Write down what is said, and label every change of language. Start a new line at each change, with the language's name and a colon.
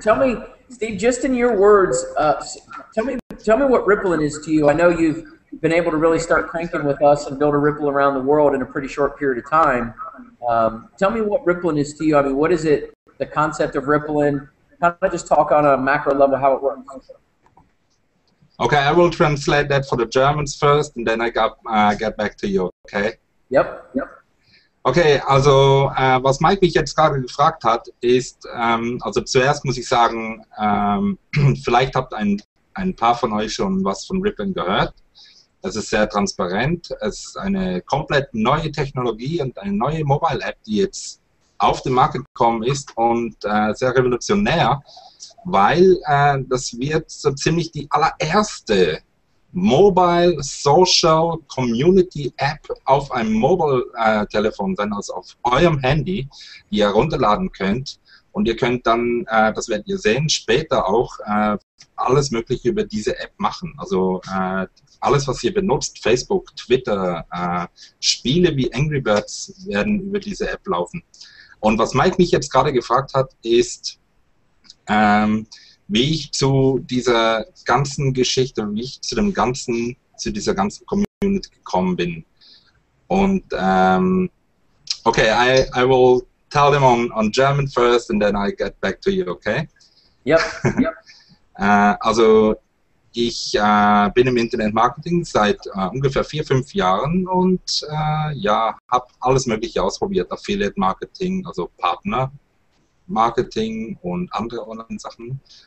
English: Tell me, Steve, just in your words, tell me what Rippln is to you. I know you've been able to really start cranking with us and build a Rippln around the world in a pretty short period of time. Tell me what Rippln is to you. I mean, what is it, the concept of Rippln? Kind of just talk on a macro level how it works. Okay, I will translate that for the Germans first, and then I get back to you, okay? Yep.
German: Okay, also, was Mike mich jetzt gerade gefragt hat, ist, also zuerst muss ich sagen, vielleicht habt ein paar von euch schon was von Rippln gehört. Es ist sehr transparent, es ist eine komplett neue Technologie und eine neue Mobile-App, die jetzt auf den Markt gekommen ist und sehr revolutionär, weil das wird so ziemlich die allererste Mobile Social Community App auf einem Mobile-Telefon sein, also auf eurem Handy, die ihr runterladen könnt. Und ihr könnt dann, das werdet ihr sehen, später auch alles Mögliche über diese App machen. Also alles, was ihr benutzt, Facebook, Twitter, Spiele wie Angry Birds werden über diese App laufen. Und was Mike mich jetzt gerade gefragt hat, ist, wie ich zu dieser ganzen Geschichte, wie ich zu dem ganzen, zu dieser ganzen Community gekommen bin.
English: Und okay, I will tell them on German first and then I get back to you, okay? Yep.
German: Also ich bin im Internet Marketing seit ungefähr 4-5 Jahren und ja, habe alles Mögliche ausprobiert, Affiliate Marketing, also Partner Marketing und andere Online-Sachen.